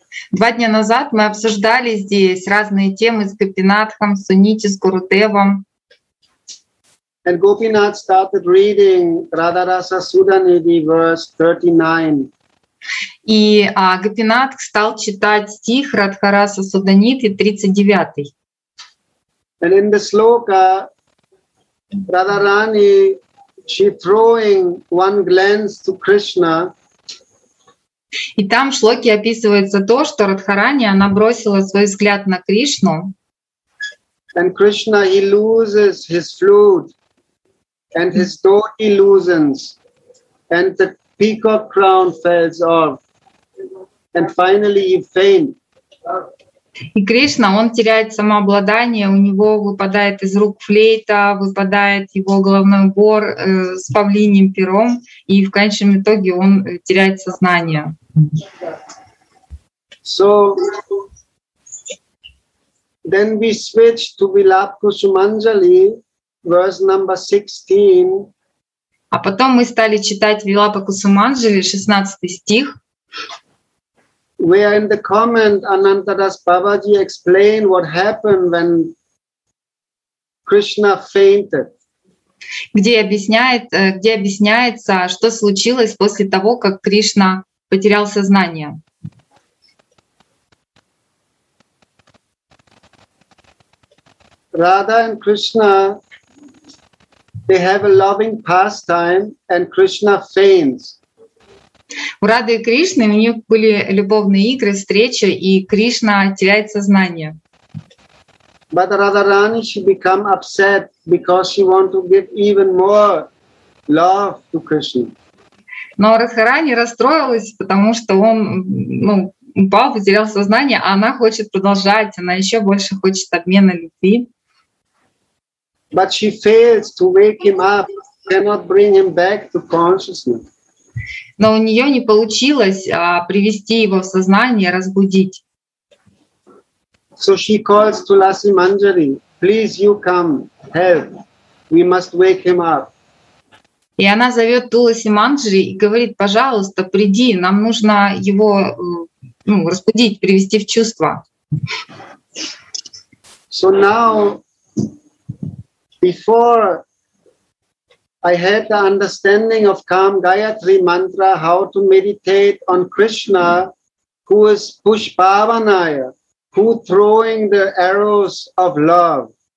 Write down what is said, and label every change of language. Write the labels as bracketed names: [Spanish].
[Russian] 2 дня назад мы обсуждали здесь разные темы с Гопинатхом, Сунити, с Гурудевом. [English] And Gopinath started reading Radharasa Sudhanidhi verse 39. [Russian] И Гопинатх стал читать стих Радхараса Суданитхи 39. [English] And in the sloka, Radharani, she throwing one glance to Krishna. [Russian] И там в шлоке описывается то, что Радхарани, она бросила свой взгляд на Кришну. [English] And Krishna, he loses his flute, and his dhoti loosens, and the peacock crown falls off, and finally he faint. [Russian] И Кришна, он теряет самообладание, у него выпадает из рук флейта, выпадает его головной убор с павлиньим пером, и в конечном итоге он теряет сознание. [English] So then we switch to Vilap Kusumanjali, verse number 16. [Russian] А потом мы стали читать Вилапа Кусуманджали, 16 стих. [English] Where in the comment Anantadas Babaji explained what happened when Krishna fainted. [Russian] Где объясняется, что случилось после того, как Кришна потерял сознание. [English] Radha and Krishna, they have a loving pastime, and Krishna faints. [Russian] У Рады и Кришны у них были любовные игры, встречи, и Кришна теряет сознание. [English] But Radharani, she become upset because she want to give even more love to Krishna. [Russian] Но Радхарани расстроилась, потому что он упал, потерял сознание, а она хочет продолжать, она еще больше хочет обмена любви. [English] But she fails to wake him up, cannot bring him back to consciousness. [Russian] Но у нее не получилось привести его в сознание, разбудить. [English] So she calls to Lassi Manjari, please you come, help, we must wake him up. [Russian] И она зовет Туласи Манджари и говорит, пожалуйста, приди, нам нужно его разбудить, привести в чувство. [English] So now, before I had the understanding of Kam Gayatri Mantra, how to meditate on Krishna, who is Pushpavanaya, who throwing the arrows of love.